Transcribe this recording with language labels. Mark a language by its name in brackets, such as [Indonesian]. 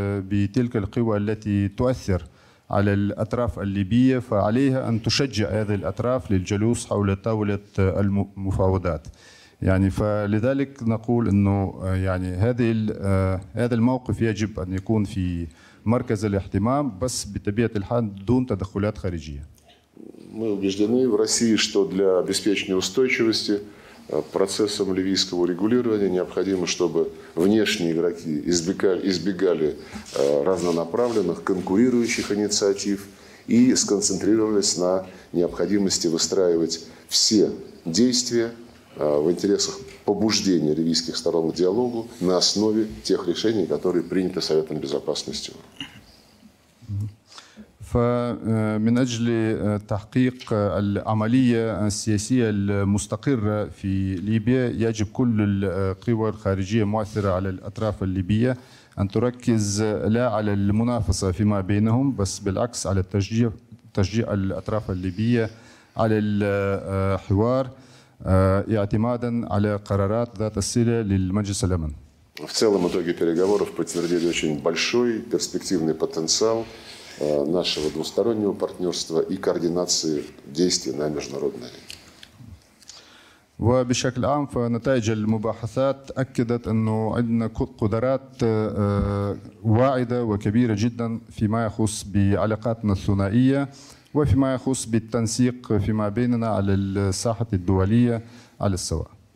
[Arabic] بتلك القوى التي تؤثر على الأطراف الليبية فعليها أن تشجع هذه الأطراف للجلوس حول طاولة المفاوضات يعني فلذلك نقول انه يعني هذا الموقف يجب ان يكون في مركز الاهتمام بس بطبيعه الحال دون تدخلات خارجيه. [Russian] Мы убеждены в России, что для обеспечения устойчивости процессом ливийского регулирования. Необходимо, чтобы внешние игроки избегали разнонаправленных, конкурирующих инициатив и сконцентрировались на необходимости выстраивать все действия в интересах побуждения ливийских сторон к диалогу на основе тех решений, которые приняты Советом Безопасности. [Arabic] فمن أجل تحقيق العملية السياسية المستقرة في ليبيا يجب كل القوى الخارجية المؤثرة على الأطراف الليبية أن تركز لا على المنافسة فيما بينهم بس بالعكس على تشجيع الأطراف الليبية على الحوار اعتمادا على قرارات ذات الصلة للمجلس الأمن. [Russian] В целом итоги переговоров подтвердили очень большой перспективный потенциал нашего двустороннего партнерства и координации действий на международной арене. [Arabic] وبشكل عام فنتائج المباحثات أكدت أنه عندنا قدرات واعدة وكبيرة جدا فيما يخص بعلاقاتنا الثنائية وفيما يخص بالتنسيق فيما بيننا على الساحة الدولية على السواء.